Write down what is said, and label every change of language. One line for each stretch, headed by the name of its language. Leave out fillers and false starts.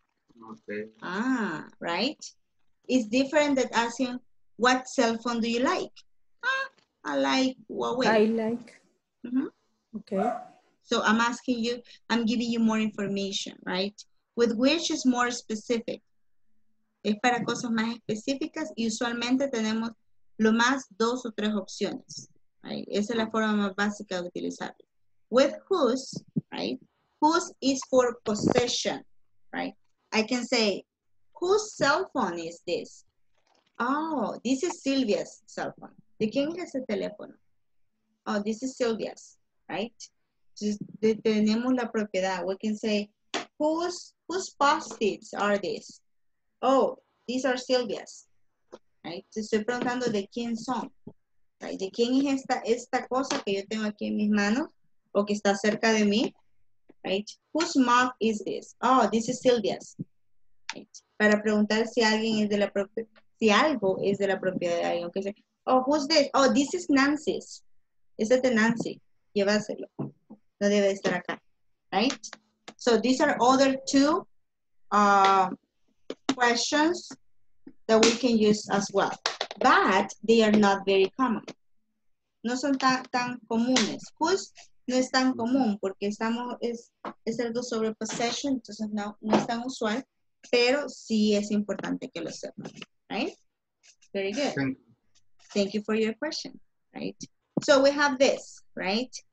English: Okay. Ah, right? It's different than asking, what cell phone do you like? Ah, I like Huawei. I like. Mm-hmm. Okay. So I'm asking you, I'm giving you more information, right? With which is more specific.
Spanish: Es para cosas más específicas y usualmente tenemos lo más dos o tres opciones. Right? Esa es la forma más básica de utilizarlo.
English: With whose, right? Whose is for possession, right? I can say, whose cell phone is this? Oh, this is Silvia's cell phone.
Spanish: ¿De quién es el teléfono?
English: Oh, this is Silvia's, right?
Spanish: tenemos la propiedad.
English: We can say, whose post-its are these? Oh, these are Sylvia's. Right?
Spanish: Te estoy preguntando de quién son.
English: Right?
Spanish: De quién es esta cosa que yo tengo aquí en mis manos o que está cerca de mí.
English: Right? Whose mug is this? Oh, this is Sylvia's. Right?
Spanish: Para preguntar si alguien es de la si algo es de la propiedad de alguien.
English: Okay? Oh, who's this? Oh, this is Nancy's.
Spanish: Este es de Nancy. Llévaselo. No debe estar acá. Right?
English: So these are other two questions that we can use as well. But they are not very common.
Spanish: No son tan comunes. Whose no es tan común porque es algo sobre possession. Entonces no es tan usual. Pero sí es importante que lo sepan. Right? Very good.
English: Thank you for your question. Right? So we have this, right?